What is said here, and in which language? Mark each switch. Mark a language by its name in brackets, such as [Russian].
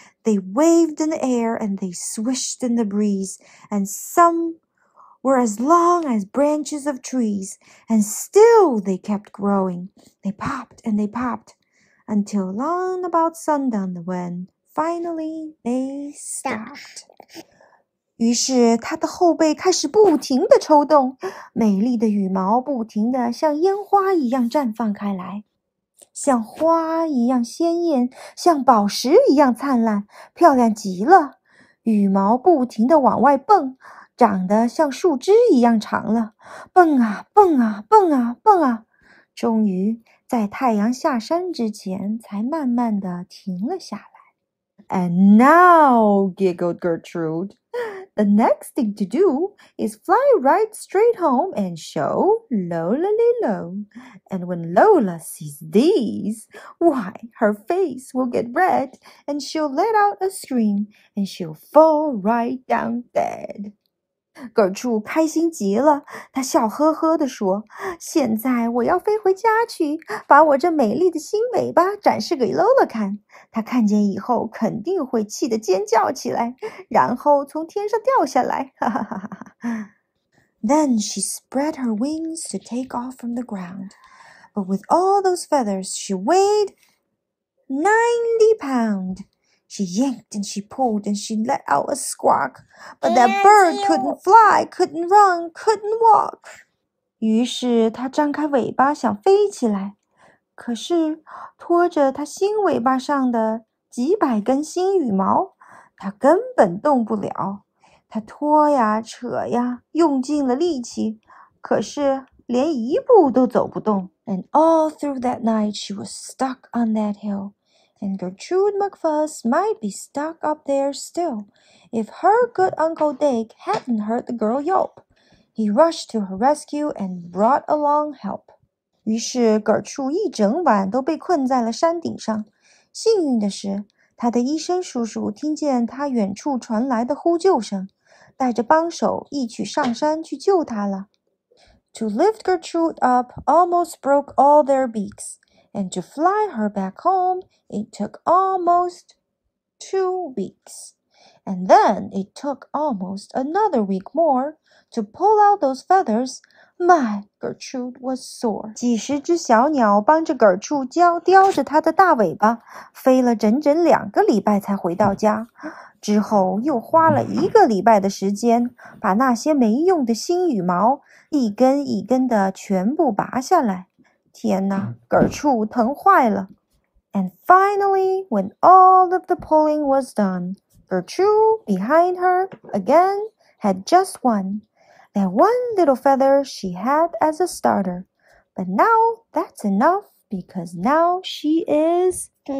[English] They waved in the air and they swished in the breeze, and some were as long as branches of trees, and still they kept growing. They popped and they popped, until long about sundown when finally they stopped. [Chinese] 于是他的后背开始不停地抽动，美丽的羽毛不停地像烟花一样绽放开来。像花一样鲜艳，像宝石一样灿烂，漂亮极了。羽毛不停地往外蹦，长得像树枝一样长了。蹦啊蹦啊蹦啊蹦啊，终于在太阳下山之前才慢慢地停了下来。 [English] And now, giggled Gertrude, the next thing to do is fly right straight home and show Lola Lilo. And when Lola sees these, why, her face will get red and she'll let out a scream and she'll fall right down dead. [Chinese] 葛柱开心极了，他笑呵呵地说，现在我要飞回家去，把我这美丽的新尾巴展示给露露看，他看见以后肯定会气得尖叫起来，然后从天上掉下来，哈哈哈哈。 [English] Then she spread her wings to take off from the ground, but with all those feathers, she weighed 90 pounds. She yanked and she pulled and she let out a squawk, but that bird couldn't fly, couldn't run, couldn't walk. [Chinese] 于是他张开尾巴想飞起来，可是拖着他新尾巴上的几百根新羽毛，他根本动不了。他拖呀扯呀，用尽了力气，可是连一步都走不动。 [English] And all through that night she was stuck on that hill. And Gertrude McFuss might be stuck up there still if her good Uncle Dick hadn't heard the girl yelp. He rushed to her rescue and brought along help. [Chinese] 于是葛柱一整晚都被困在了山顶上。幸运的是，他的医生叔叔听见他远处传来的呼救声，带着帮手一起上山去救他了。 [English] To lift Gertrude up almost broke all their beaks. And to fly her back home, it took almost 2 weeks. And then it took almost another week more to pull out those feathers. My Gertrude was sore. [Chinese] 几十只小鸟帮着葛柱叼着它的大尾巴，飞了整整两个礼拜才回到家。之后又花了一个礼拜的时间，把那些没用的新羽毛一根一根的全部拔下来。天哪，葛柱疼坏了。 [English] And finally, when all of the pulling was done, Gertrude, behind her, again, had just one. That one little feather she had as a starter. But now, that's enough, because now she is